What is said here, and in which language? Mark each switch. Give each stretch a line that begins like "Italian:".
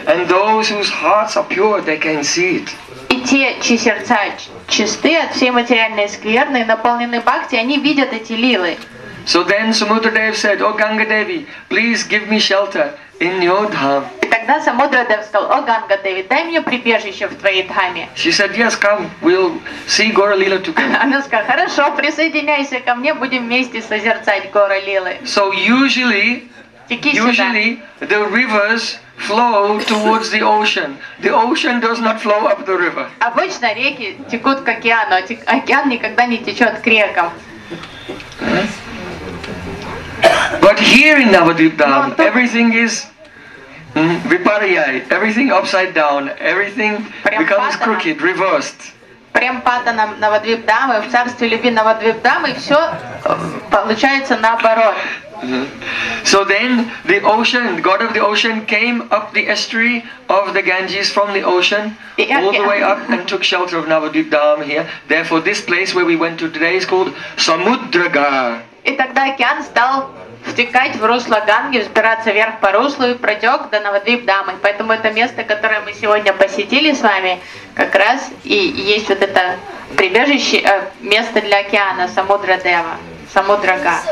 English: And those whose hearts are pure, they can see it.
Russian: И те, чьи сердца чисты от всей материальной скверны, наполнены бхакти, они видят эти лилы.
English: So then Samudradev said, "Oh Ganga Devi, please give me shelter in your dham."
Russian: И тогда Самудрадев сказал,
English: "Oh Ganga Devi,
Russian: дай мне прибежище в твоей дхаме."
English: She said, "Yes, come, we'll see Gora Lila together."
Russian: Она сказала, "Хорошо, присоединяйся ко мне, будем вместе созерцать Гора Лилы."
English: So usually the rivers flow towards the ocean. The ocean does not flow up the river.
Russian: Обычно реки текут к океану, океан никогда не течет к рекам.
English: But here in Navadvip Dham, everything is viparyay, everything upside down, everything becomes crooked, reversed.
Russian: Прямпатанам Навадвип Дхамы, в царстве любви Навадвип Дхамы, и все получается наоборот.
English: So then the ocean, God of the ocean came up the estuary of the Ganges from the ocean all the way up and took shelter of Navadvip Dham here. Therefore this place where we went to today is called Samudraga.
Russian: И тогда океан стал втекать в русло Ганги, взбираться вверх по руслу и протек до Навадвип Дхамы. Поэтому это место, которое мы сегодня посетили с вами, как раз и есть вот это прибежище, место для океана, Самудра Дева. Самудрага.